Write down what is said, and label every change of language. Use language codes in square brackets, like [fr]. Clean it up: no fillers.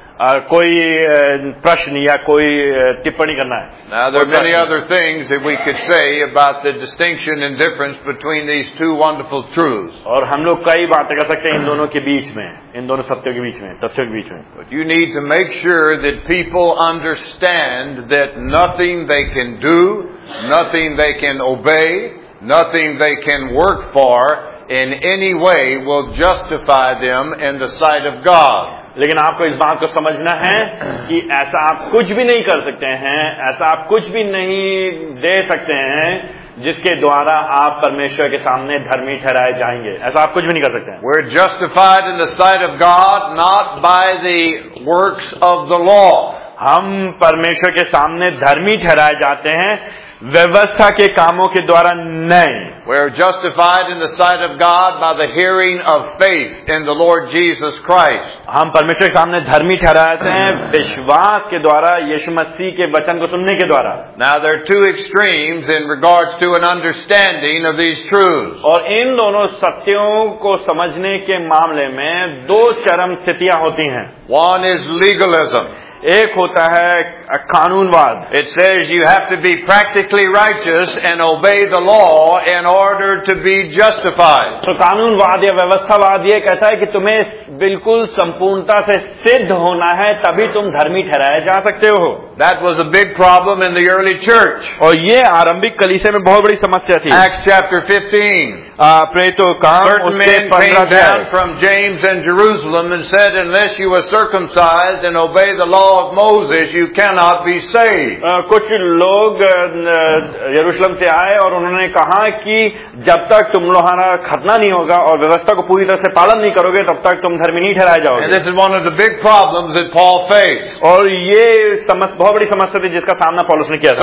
[hi] कोई प्रश्न या कोई टिप्पणी करना है? [en] Now there are many other things that we could say about the distinction and difference between these two wonderful truths. [hi] और हम लोग कई बातें कर सकते हैं इन दोनों के बीच में, इन दोनों सत्यों के बीच में, तथ्यों के बीच में. [en] But you need to make sure that people understand that nothing they can do, nothing they can obey, nothing they can work for in any way will justify them in the sight of God. [hi] लेकिन आपको इस बात को समझना है कि ऐसा आप कुछ भी नहीं कर सकते हैं, ऐसा आप कुछ भी नहीं दे सकते हैं जिसके द्वारा आप परमेश्वर के सामने धर्मी ठहराए जाएंगे, ऐसा आप कुछ भी नहीं कर सकते हैं। [en] We're justified in the sight of God not by the works of the law. [hi] हम परमेश्वर के सामने धर्मी ठहराए जाते हैं व्यवस्था के कामों के द्वारा नहीं। [en] We're justified in the sight of God by the hearing of faith in the Lord Jesus Christ. [hi] हम परमेश्वर के सामने धर्मी ठहराए जाते हैं विश्वास के द्वारा, यीशु मसीह के वचन को सुनने के द्वारा। [en] Now there are two extremes in regards to an understanding of these truths. [hi] और इन दोनों सत्यों को समझने के मामले में दो चरम स्थितियां होती हैं। [en] One is legalism. [hi] एक होता है कानूनवाद। [en] It says you have to be practically righteous and obey the law in order to be justified. [hi] तो कानूनवाद या व्यवस्थावाद ये कहता है कि तुम्हें बिल्कुल संपूर्णता से सिद्ध होना है तभी तुम धर्मी ठहराए जा सकते हो। [en] That was a big problem in the early church. [hi] और ये आरंभिक कलीसिया में बहुत बड़ी समस्या थी। [en] Acts chapter 15. [hi] प्रेतों काम उसके 15 [en] Certain men came down from James and Jerusalem and said, unless you are circumcised and obey the law of Moses, you cannot be saved. [hi] कुछ लोग यरूशलेम से आए और उन्होंने कहा कि जब तक तुम लोहारा खतना नहीं होगा और व्यवस्था को पूरी तरह से पालन नहीं करोगे तब तक तुम धर्मी नहीं ठहराए जाओगे। [en] And this is one of the big problems that Paul faced. [hi] और ये बहुत बड़ी समस्या थी जिसका सामना पॉलस ने किया था।